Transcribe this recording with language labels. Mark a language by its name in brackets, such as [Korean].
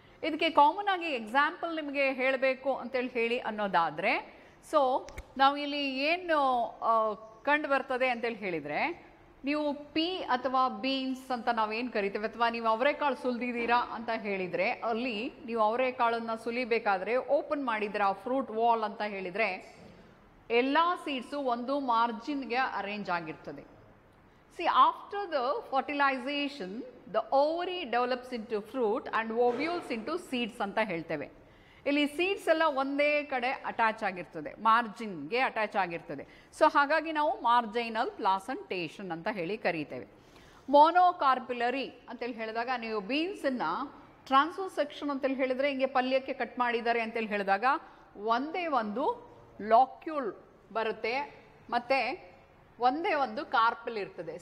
[Kannada] ಇದಕ್ಕೆ ಕಾಮನ್ ಆಗಿ ಎಕ್ಸಾಂಪಲ್ ನಿಮಗೆ ಹೇಳಬೇಕು ಅಂತೇಳಿ ಹೇಳಿ ಅನ್ನೋದಾದರೆ, ಸೊ ನಾವಿಲ್ಲಿ ಏನು ಕಂಡು ಬರ್ತದೆ ಅಂತೇಳಿ ಹೇಳಿದರೆ, ನೀವು ಪೀ ಅಥವಾ ಬೀನ್ಸ್ ಅಂತ ನಾವೇನು ಕರಿತೇವೆ ಅಥವಾ ನೀವು ಅವರೆಕಾಳು ಸುಲಿದಿದ್ದೀರಾ ಅಂತ ಹೇಳಿದರೆ, ಅಲ್ಲಿ ನೀವು ಅವರೆಕಾಳನ್ನು ಸುಲಿಬೇಕಾದ್ರೆ ಓಪನ್ ಮಾಡಿದ್ರೆ ಆ ಫ್ರೂಟ್ ವಾಲ್ ಅಂತ ಹೇಳಿದರೆ ಎಲ್ಲ ಸೀಡ್ಸು ಒಂದು ಮಾರ್ಜಿನ್ಗೆ ಅರೇಂಜ್ ಆಗಿರ್ತದೆ. [English] See, after the fertilization, the ovary develops into fruit and ovules into seeds [Kannada] anta helteve. ಇಲ್ಲಿ ಸೀಡ್ಸ್ ಎಲ್ಲ ಒಂದೇ ಕಡೆ ಅಟ್ಯಾಚ್ ಆಗಿರ್ತದೆ, ಮಾರ್ಜಿನ್ಗೆ ಅಟ್ಯಾಚ್ ಆಗಿರ್ತದೆ. ಸೊ ಹಾಗಾಗಿ ನಾವು ಮಾರ್ಜೈನಲ್ ಪ್ಲಾಸಂಟೇಷನ್ ಅಂತ ಹೇಳಿ ಕರೀತೇವೆ. ಮೋನೋಕಾರ್ಪ್ಯುಲರಿ ಅಂತೇಳಿ ಹೇಳಿದಾಗ, ನೀವು ಬೀನ್ಸನ್ನು ಟ್ರಾನ್ಸ್ಫರ್ ಸೆಕ್ಷನ್ ಅಂತೇಳಿ ಹೇಳಿದರೆ, ಹಿಂಗೆ ಪಲ್ಯಕ್ಕೆ ಕಟ್ ಮಾಡಿದ್ದಾರೆ ಅಂತೇಳಿ ಹೇಳಿದಾಗ, ಒಂದೇ ಒಂದು ಲಾಕ್ಯೂಲ್ ಬರುತ್ತೆ ಮತ್ತು ಒಂದೇ ಒಂದು ಕಾರ್ಪಲ್ ಇರ್ತದೆ.